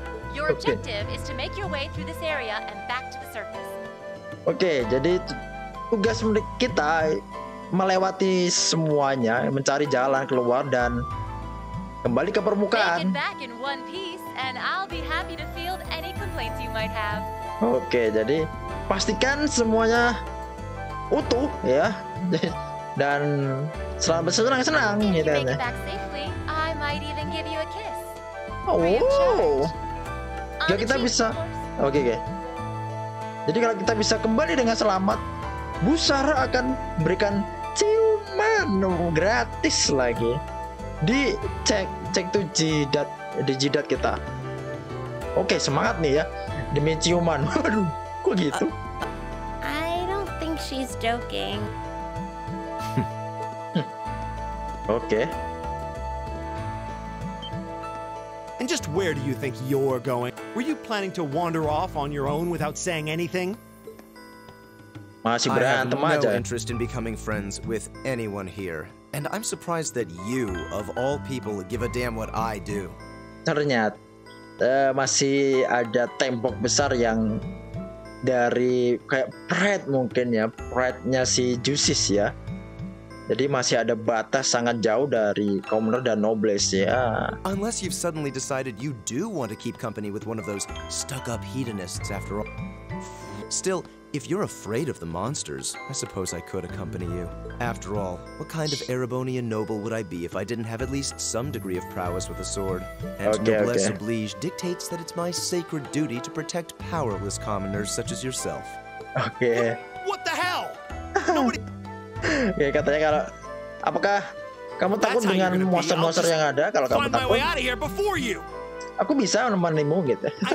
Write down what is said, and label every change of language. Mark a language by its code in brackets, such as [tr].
[en] Your objective is to make your way through this area and back to the surface. [id] Okay, jadi tugas kita melewati semuanya, mencari jalan keluar dan kembali ke permukaan. [en] Make it back in one piece, and I'll be happy to field any complaints you might have. [id] Okay, jadi pastikan semuanya utuh ya. Dan senang-senang gitu ya. [en] I might even give you a kiss. [id] Oh. Jika kita bisa. Okay. Jadi kalau kita bisa kembali dengan selamat, Busara akan berikan ciuman gratis lagi di cek tuh jidat, di jidat kita. Okay, semangat nih ya. Demi ciuman. Waduh, kok gitu? [en] I don't think she's joking. Okay. And just where do you think you're going? Were you planning to wander off on your own without saying anything? [id] Masih berantem aja. [en] I have no interest in becoming friends with anyone here. And I'm surprised that you, of all people, give a damn what I do. [id] Ternyata masih ada tembok besar yang dari kayak pride mungkin ya. Pride-nya si Jusis ya. Jadi masih ada batas sangat jauh dari Commoner dan Nobles ya. [en] Unless you've suddenly decided you do want to keep company with one of those stuck-up hedonists after all. Still, if you're afraid of the monsters, I suppose I could accompany you. After all, what kind of Erebonian noble would I be if I didn't have at least some degree of prowess with a sword? And noblesse oblige dictates that it's my sacred duty to protect powerless commoners such as yourself. Okay. What the hell? Nobody... [id] Oke, katanya kalau apakah kamu takut dengan monster-monster yang ada? Kalau kamu takut, aku bisa menemanimu gitu.